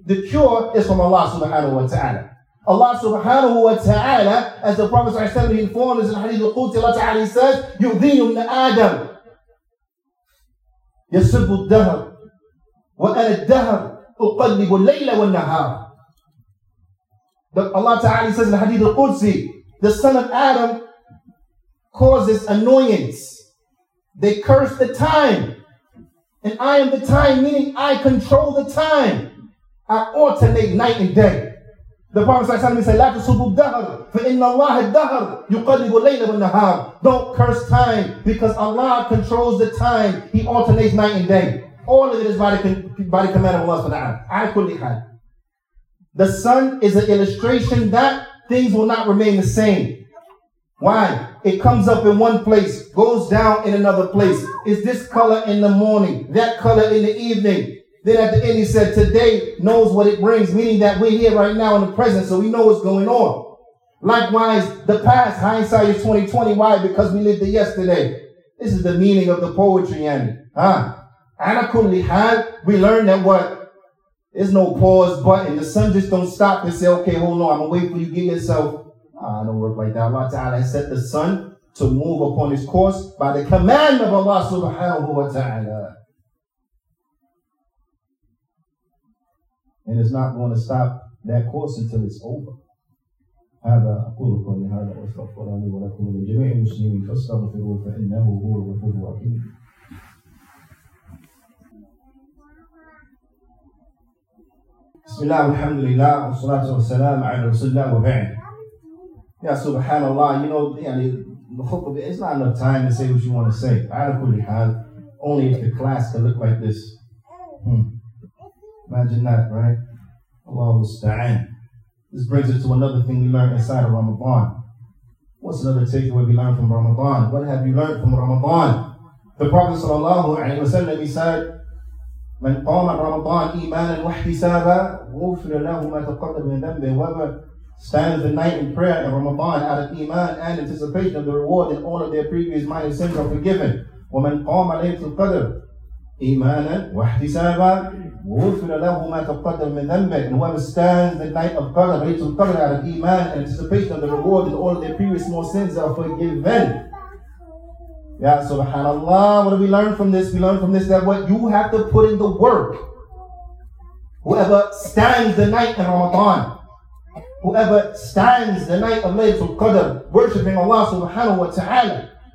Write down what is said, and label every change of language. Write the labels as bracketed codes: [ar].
[en] The cure is from Allah subhanahu wa ta'ala. Allah subhanahu wa ta'ala, as the Prophet sallallahu alayhi wa sallam informed us in Hadith al-Qudsi, Allah ta'ala says, [ar] يُذِينُ مِنَ آدَمْ يَسُبُّ الدَّهَرْ وَأَنَ الدَّهَرْ أُقَلِّبُ اللَّيْلَ وَالنَّهَارِ. [en] But Allah ta'ala says in Hadith al-Qudsi, the son of Adam causes annoyance. They curse the time. And I am the time, meaning I control the time. I alternate night and day. The Prophet said, [ar] لا تسبوا الدهر فإن الله الدهر يقلب الليل والنهار. [en] Don't curse time, because Allah controls the time. He alternates night and day. All of it is by the command of Allah subhanahu wa ta'ala. The sun is an illustration that things will not remain the same. Why? It comes up in one place, goes down in another place. It's this color in the morning, that color in the evening. Then at the end he said, today knows what it brings, meaning that we're here right now in the present, so we know what's going on. Likewise, the past, hindsight is 2020. Why? Because we lived it yesterday. This is the meaning of the poetry, Yani. Ala kulli hal, we learned that what? There's no pause button. The sun just don't stop and say, okay, hold on, I'm going to wait for you to get yourself. I don't work like that. Allah Ta'ala has set the sun to move upon his course by the command of Allah subhanahu wa ta'ala. And it's not going to stop that course until it's over. [ar] هذا أقول قولي هذا وأستغفر لي ولكم ولجميع المسلمين فاستغفروه فإنه هو الغفور الرحيم. بسم الله والحمد لله والصلاة والسلام على رسول الله وبعد. يا سبحان الله, [en] you know, [ar] يعني الخطبة, [en] it's not enough time to say what you want to say. [ar] على كل حال, [en] only if the class can look like this. Imagine that, right? Allah musta'an. This brings us to another thing we learned inside of Ramadan. What's another takeaway we learned from Ramadan? What have you learned from Ramadan? The Prophet sallallahu alayhi wa sallam, he said, [ar] من قام رمضان إيمانا واحتسابا غفر له ما تقدم من ذنبه. [en] Whoever stands the night in prayer in Ramadan out of Iman and anticipation of the reward and all of their previous minor sins are forgiven. [ar] ومن قام ليلة القدر إيمانا واحتسابا غفر له ما تقدم من ذنبه. [en] And whoever stands the night of Qadr, ليلة القدر, out of Iman and anticipation of the reward and all of their previous small sins are forgiven. Ya subhanallah, what do we learn from this? We learn from this that what you have to put in the work. Whoever stands the night in Ramadan, whoever stands the night of Laylatul Qadr, worshipping Allah subhanahu wa ta'ala.